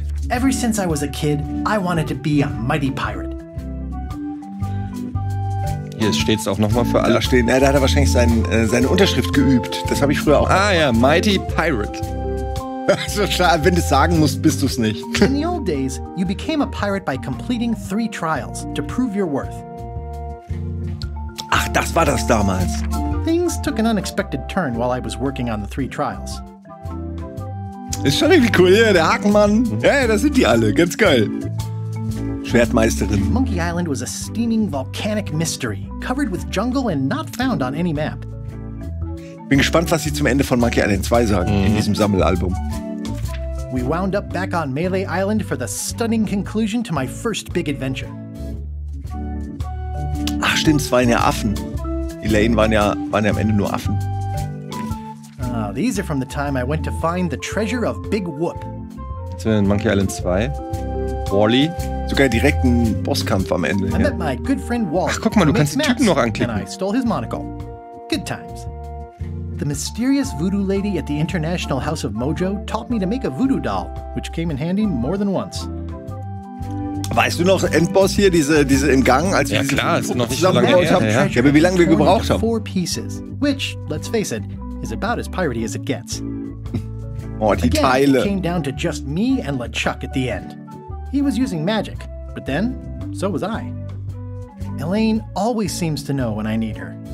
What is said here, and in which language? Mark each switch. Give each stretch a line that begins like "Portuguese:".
English: Ever since I was a kid, I wanted to be a mighty pirate.
German: Hier steht es auch nochmal für alle. Da stehen. Da hat er wahrscheinlich seine Unterschrift geübt. Das habe ich früher auch gemacht. Ah ja, Mighty Pirate. Also, wenn du es sagen musst, bist du es nicht.
English: In the old days, you became a pirate by completing 3 trials to prove your worth.
German: Ach, das war das damals.
English: Things took an unexpected turn while I was working on the 3 trials.
German: Ist schon irgendwie cool, ja, der Hakenmann. Ja, da sind die alle, ganz geil. Schwertmeisterin.
English: Monkey Island was a steaming volcanic mystery, covered with jungle and not found on any map.
German: Ich bin gespannt, was sie zum Ende von Monkey Island 2 sagen in diesem Sammelalbum.
English: We wound up back on Melee Island for the stunning conclusion to my first big adventure.
German: Ach stimmt, es waren ja Affen. Elaine waren ja am Ende nur Affen.
English: These are from the time I went to find the treasure of Big Whoop.
German: Jetzt sind wir in Monkey Island 2. Wally. Sogar direkt ein Bosskampf am Ende.
English: I met my good friend Walt.
German: Ach, guck mal, du kannst den Typen noch anklicken.
English: And I stole his monocle. Good times. The mysterious voodoo lady at the International House of Mojo taught me to make a voodoo doll, which came in handy more than once.
German: Weißt du noch, Endboss hier, diese im Gang, als wir wie lange wir gebraucht haben?
English: 4 pieces, which, let's face it, is about as piratey as it gets.
German: Oh, die Teile.
English: Again, it came down to just me and LeChuck at the end. He was using magic, but then, so was I. Elaine always seems to know when I need her.